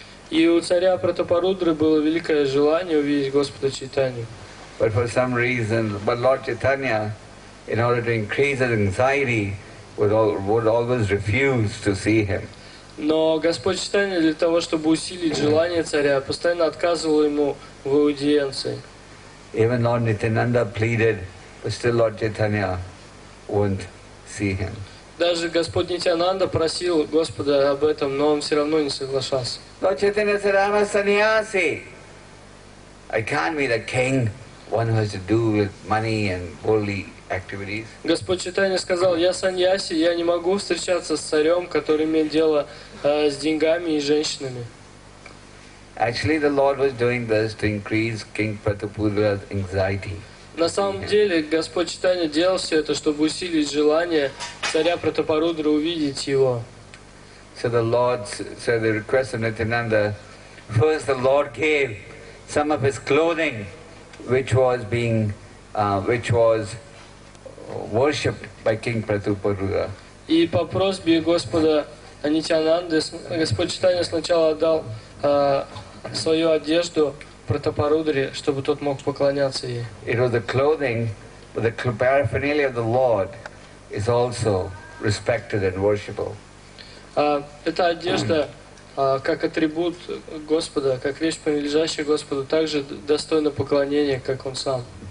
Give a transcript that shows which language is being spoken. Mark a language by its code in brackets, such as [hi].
[ru] И у царя Пратапарудры было великое желание увидеть Господа Чайтанью. [en] But for some reason, but Lord Chaitanya, in order to increase his anxiety, would always refuse to see him. [ru] Но Господь Чайтанья для того, чтобы усилить желание царя, постоянно отказывал ему в аудиенции. [en] Even Lord Nityananda pleaded, but still Lord Chaitanya wouldn't see him. [ru] Даже Господь Нитянанда просил Господа об этом, но он все равно не соглашался. [en] Lord Chaitanya said, I'm a sannyasi. I can't be the king, one who has to do with money and worldly activities. [ru] Господь Чайтанья сказал, я саньяси, я не могу встречаться с царем, который имеет дело с деньгами и женщинами. [en] Actually, the Lord was doing this to increase King Pratapudra's anxiety. [ru] На самом деле, Господь Чайтанья делал все это, чтобы усилить желание царя Пратапарудры увидеть его. [en] So the Lord, so the request of Nityananda, first the Lord gave some of his clothing, which was worshipped by King Pratapudra. [ru] И по просьбе Господа Нитянанды, Господь Чайтанья сначала отдал свою одежду Пратапарудре, чтобы тот мог поклоняться ей. [en] It was the clothing, but the paraphernalia of the Lord is also respected and worshipable. [ru] Эта одежда, как атрибут Господа, как вещь, принадлежащая Господу, также достойна поклонения, как Он сам.